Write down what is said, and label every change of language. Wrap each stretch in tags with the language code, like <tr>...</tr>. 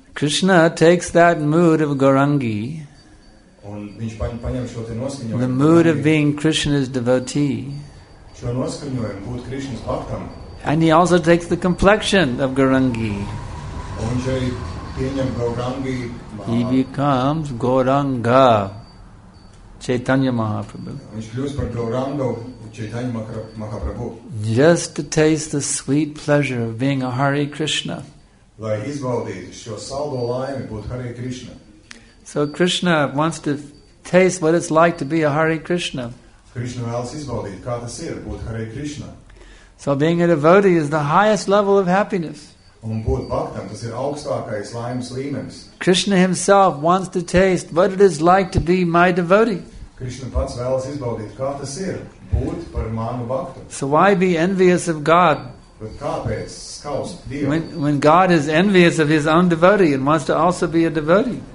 <en>Krishna takes that mood of Gaurangi.</en> <lv>Un viņš paņem šo te noskaņojumu.</lv> <en>The mood of being Krishna's devotee.</en> <lv>Šo noskaņojumu būt Krishna's bhaktam.</lv> <en>And he also takes the complexion of Gaurangi.</en> <lv>Un viņš arī pieņem Gaurangi.</lv> <en>He becomes Gauranga Chaitanya Mahaprabhu.</en> <lv>Viņš kļūst par Gaurango Chaitanya Mahaprabhu.</lv> <en>Just to taste the sweet pleasure of being a Hare Krishna.</en> <lv>Lai izbaudīt šo saldo laimi būt Hare Krishna.</lv> <en>So Krishna wants to taste what it's like to be a Hare Krishna.</en> <lv>Krishna vēlas izbaudīt, kā tas ir, būt Hare Krishna.</lv> <en>So being a devotee is the highest level of happiness.</en> <lv>Un būt bhaktam, tas ir augstākais laimes līmenis.</lv> <en>Krishna himself wants to taste what it is like to be my devotee.</en> <lv>Krishna pats vēlas izbaudīt, kā tas ir, būt par manu bhaktu.</lv> <en>So why be envious of God?</en> <lv>Bet kāpēc skaust Dievu?</lv> <en>When God is envious of his own devotee and wants to also be a devotee.</en>